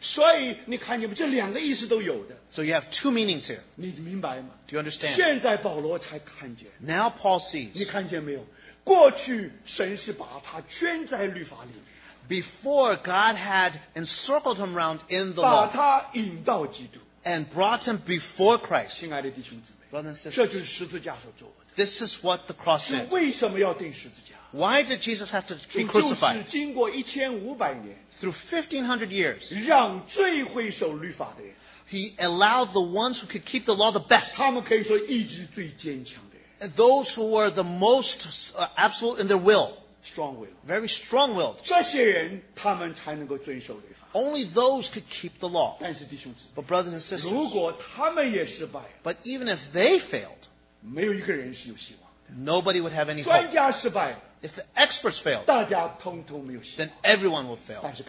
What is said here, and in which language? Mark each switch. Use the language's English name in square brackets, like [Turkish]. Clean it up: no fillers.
[Chinese] 所以你看你们这两个意思都有的。 [English] So you have two meanings here. [Chinese] 你明白吗? [English] Do you understand? [Chinese] 现在保罗才看见。 [English] Now Paul sees. [Chinese] 你看见没有? 过去神是把他圈在律法里面。 [English] Before God had encircled him around in the law. [Chinese] 把他引到基督。 [English] And brought him before Christ. [Chinese] 亲爱的弟兄姊妹, [English] brothers and sisters. [Chinese] 这就是十字架所做的。 [English] This is what the cross meant. [Chinese] 为什么要钉十字架? [English] Why did Jesus have to be crucified? [Chinese] 就是经过1500年。 [English] Through 1500 years, [Chinese] 让最会守律法的人, [English] he allowed the ones who could keep the law the best. [Chinese] 他们可以说意志最坚强的人, [English] and those who were the most absolute in their will. Strong will. Very strong will. [Chinese] 这些人他们才能够遵守律法, [English] only those could keep the law. [Chinese] 但是弟兄姊妹, [English] but brothers and sisters, [Chinese] 如果他们也失败了, [English] but even if they failed, [Chinese] 没有一个人是有希望的, [English] nobody would have any hope. [Chinese] 专家失败了, [English] if the experts failed, then everyone will fail.